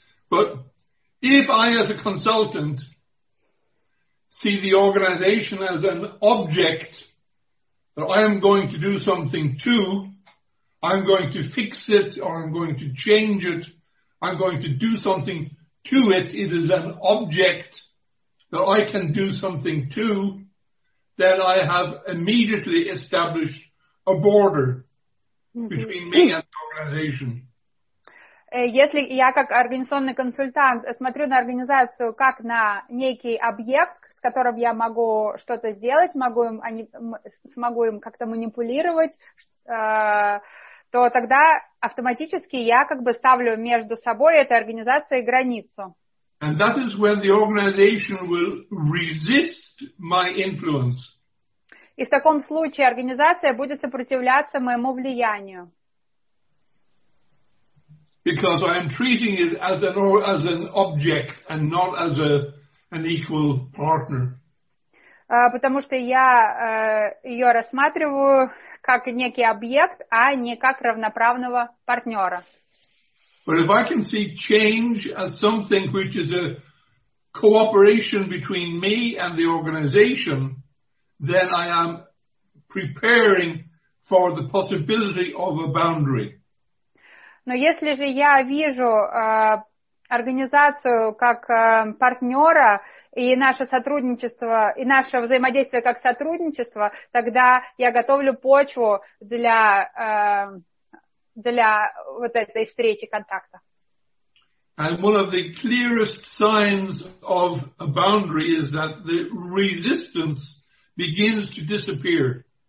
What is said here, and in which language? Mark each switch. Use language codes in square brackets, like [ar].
[en] But if I, as a consultant, see the organization as an object that I am going to do something to, I'm going to fix it or I'm going to change it, I'm going to do something to it. It is an object that I can do something to, then I have immediately established a border between me and the organization. [ru] Если я как организационный консультант смотрю на организацию как на некий объект, с которым я могу что-то сделать, могу им, они, смогу им как-то манипулировать, то тогда автоматически я как бы ставлю между собой этой организацией границу. [en] And that is when the organization will resist my influence. [ru] И в таком случае организация будет сопротивляться моему влиянию. [en] Because I am treating it as an object and not as a an equal partner. [ru] Потому что я ее рассматриваю как некий объект, а не как равноправного партнера. [en] But if I can see change as something which is a cooperation between me and the organization, then I am preparing for the possibility of a boundary. [ru] Но если же я вижу организацию как партнера и наше сотрудничество, и наше взаимодействие как сотрудничество, тогда я готовлю почву для, для вот этой встречи контакта. [en] And one of the clearest signs of a boundary is that the resistance begins to disappear.